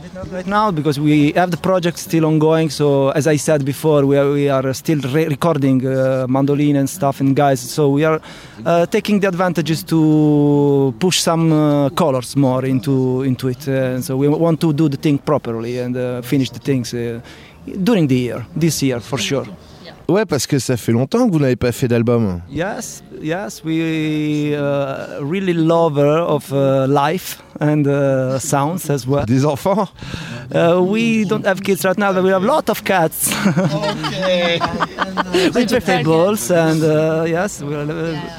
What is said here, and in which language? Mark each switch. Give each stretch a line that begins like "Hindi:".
English: Right now, because we have the project still ongoing, so as I said before, we are still recording mandolin and stuff and guys, so we are taking the advantages to push some colors more into it, and so we want to do the thing properly and finish the things during the year, this year for sure.
French: Ouais, parce que ça fait longtemps que vous n'avez pas fait d'album.
English: Yes, we really lover of life and sounds as well.
French: Des enfants?
English: We don't have kids right now, but we have a lot of cats. Okay. We prefer balls and yes, we're